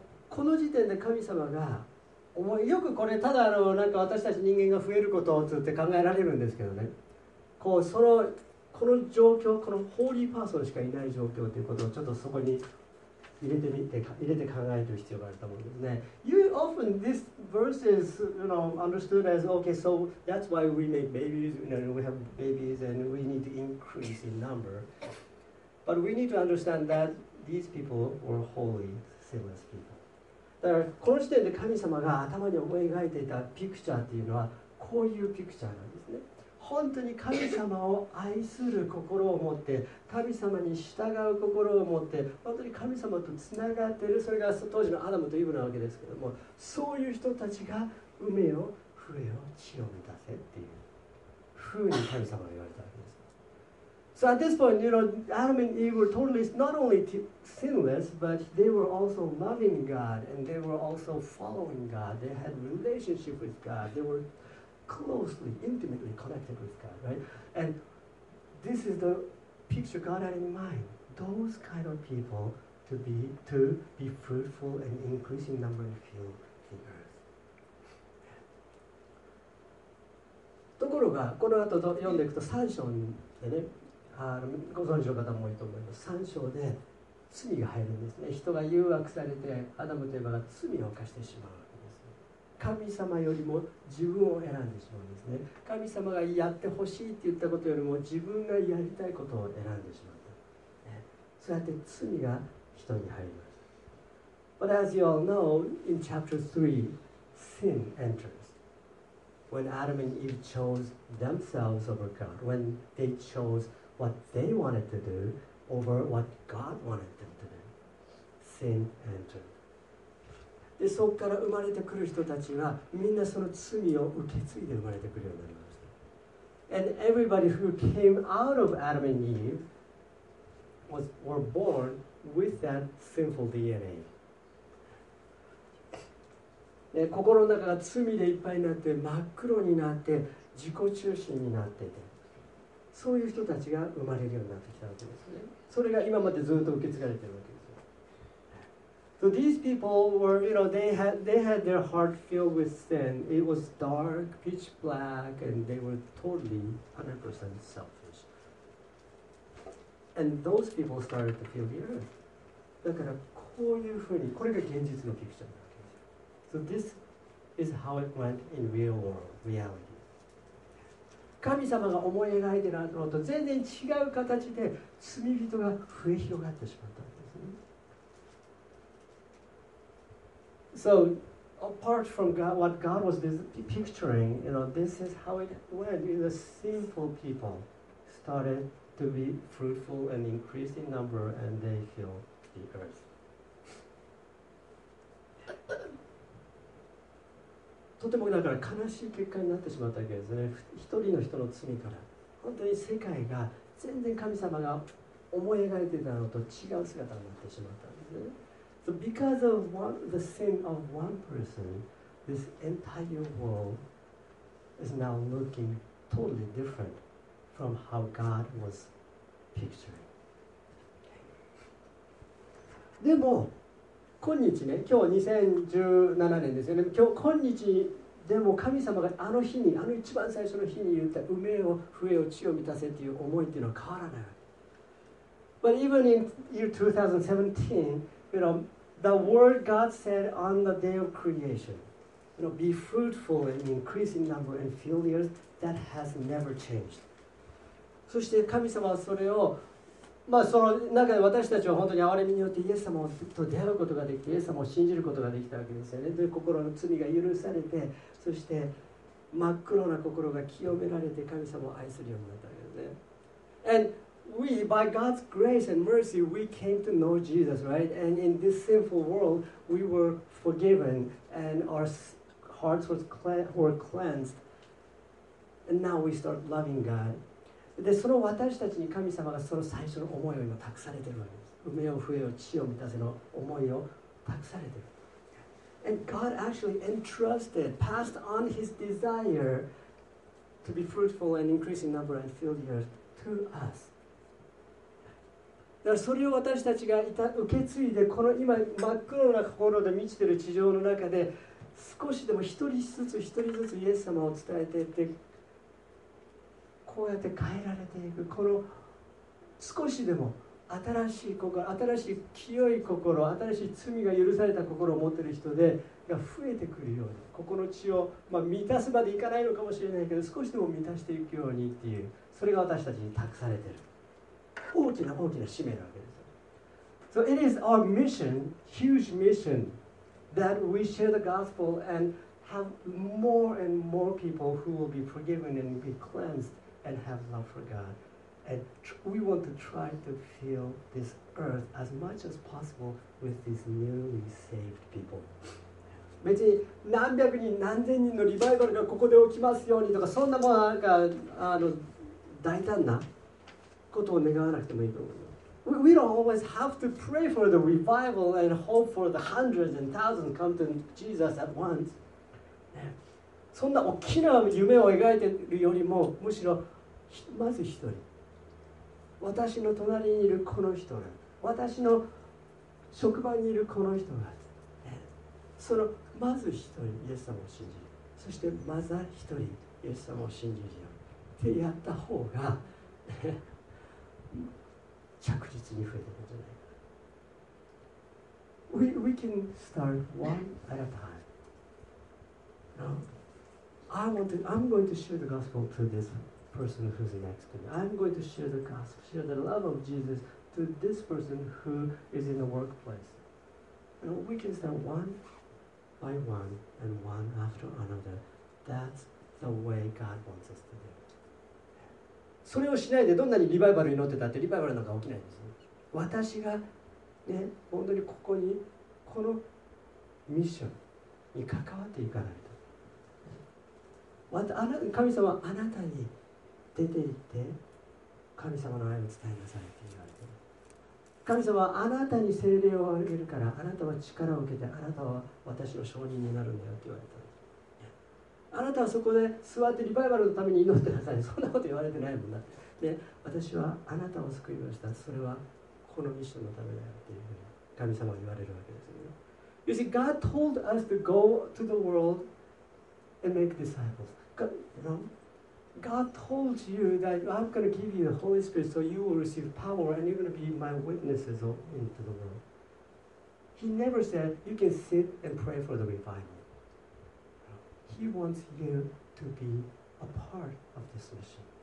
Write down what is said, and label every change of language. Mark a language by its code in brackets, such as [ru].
[ja] この時点で神様が、よくこれただあのなんか私たち人間が増えることをつって考えられるんですけどね。こうそのこの状況、このホーリーパーソンしかいない状況ということをちょっとそこに入れてみて、入れて考える必要があると思うんですね。 [en] You often this verse is, you know, understood as okay, so that's why we make babies, you know, we have babies and we need to increase in number. But we need to understand that these people were holy, sinless people. [ja] だからこの時点で神様が頭に思い描いていたピクチャーっていうのはこういうピクチャーなんですね。本当に神様を愛する心を持って、神様に従う心を持って、本当に神様とつながっている、それが当時のアダムとイブなわけですけども、そういう人たちが、産めよ、増えよ、地を満たせっていうふうに神様が言われたわけです。 [en] So at this point, you know, Adam and Eve were totally not only sinless, but they were also loving God, and they were also following God. They had relationship with God. They were... closely, intimately connected with God, right? And this is the picture God had in mind. Those kind of people to be fruitful and increase in number and fill the earth. [ja] ところが、この後と読んでいくと3章でね、ご存知の方も多いと思います。 3章で罪が入るんですね。人が誘惑されて、アダムとエバが罪を犯してしまう。神様よりも自分を選んでしまうんですね。神様がやってほしいって言ったことよりも自分がやりたいことを選んでしまった、ね、そうやって罪が人に入ります。 [en] But as you all know, in chapter 3, sin enters. When Adam and Eve chose themselves over God, when they chose what they wanted to do over what God wanted them to do, sin enters. [ja] でそこから生まれてくる人たちはみんなその罪を受け継いで生まれてくるようになりました。 [en] And everybody who came out of Adam and Eve were born with that sinful DNA. [ja] で心の中が罪でいっぱいになって真っ黒になって自己中心になっていて、そういう人たちが生まれるようになってきたわけですね。それが今までずっと受け継がれているわけです。 [en] So these people were, you know, they had their heart filled with sin. It was dark, pitch black, and they were totally 100% selfish. And those people started to feel the earth. [ja] だからこういうふうに、これが現実のフィクションなわけです。 [en] So this is how it went in real world, reality. [ja] 神様が思い描いてるのと全然違う形で罪人が増え広がってしまった。 [en] So, apart from God, what God was picturing, you know, this is how it went. The sinful people started to be fruitful and increase in number, and they filled the earth. [ja] とてもだから悲しい結果になってしまったわけですね。一人の人の罪から、本当に世界が全然神様が思い描いていたのと違う姿になってしまったんですね。 [en] So because of the sin of one person, this entire world is now looking totally different from how God was picturing. [ja] でも、今日ね、今日2017年ですよね。今日でも神様があの日に、あの一番最初の日に言った埋めよ、増えよ、地を満たせという思いっていうのは変わらない。 [en] But even in year 2017, you know,The word God said on the day of creation, you know, be fruitful and increase in number and fill the earth, that has never changed. [ja] そして神様はそれを、まあその中で私たちは本当に憐れみによってイエス様と出会うことができて、イエス様を信じることができたわけですよね。で、心の罪が許されて、そして、真っ黒な心が清められて神様を愛するようになったわけですね。 [en] And we, by God's grace and mercy, we came to know Jesus, right? And in this sinful world, we were forgiven and our hearts were cleansed. And now we start loving God. [ja] で、その私たちに神様がその最初の思いを今託されているわけです。埋めよ、増えよ、地を満たせの思いを託されている。 [en] And God actually entrusted, passed on His desire to be fruitful and increase in number and fill the earth to us. [ja] だからそれを私たちが受け継いで、この今真っ黒な心で満ちている地上の中で、少しでも一人ずつイエス様を伝えていって、こうやって変えられていく、この少しでも、新しい心、新しい清い心、新しい罪が許された心を持っている人でが増えてくるように、ここの血を、まあ、満たすまでいかないのかもしれないけど、少しでも満たしていくようにっていう、それが私たちに託されている大きな大きな使命なわけです。 [en] So it is our mission, huge mission, that we share the gospel and have more and more people who will be forgiven and be cleansed and have love for GodAnd we want to try to fill this earth as much as possible with these newly saved people. [ja] 別に何百人何千人のリバイバルがここで起きますようにとか、そんなもなんか大胆なことを願わなくてもいいと思います。 [en] We don't always have to pray for the revival and hope for the hundreds and thousands come to Jesus at once. [ja] そんな大きな夢を描いているよりも、むしろまず一人。私の隣にいるこの人が、私の職場にいるこの人が、そのまず一人イエス様を信じる、そしてまず一人イエス様を信じるよってやった方が着実に増えていくんじゃないか。 [en] We can start one at a time. No? I'm going to share the gospel to thisperson who's next to me. I'm going to share the gospel, share the love of Jesus to this person who is in the workplace. And we can start one by one and one after another. That's the way God wants us to do. [ja] それをしないでどんなにリバイバル祈ってたってリバイバルなんか起きないんですよ。私がね、本当にここにこのミッションに関わっていかないと。神様はあなたに出て行って神様の愛を伝えなさいって言われて、神様はあなたに聖霊をあげるから、あなたは力を受けて、あなたは私の証人になるんだよって言われた。あなたはそこで座ってリバイバルのために祈ってなさい、そんなこと言われてないもんな。で、私はあなたを救いました、それはこのミッションのためだよっていうふうに神様は言われるわけですよ。 [en] You see, God told us to go to the world and make disciples. God, you knowGod told you that I'm going to give you the Holy Spirit so you will receive power and you're going to be my witnesses into the world. He never said you can sit and pray for the revival. He wants you to be a part of this mission.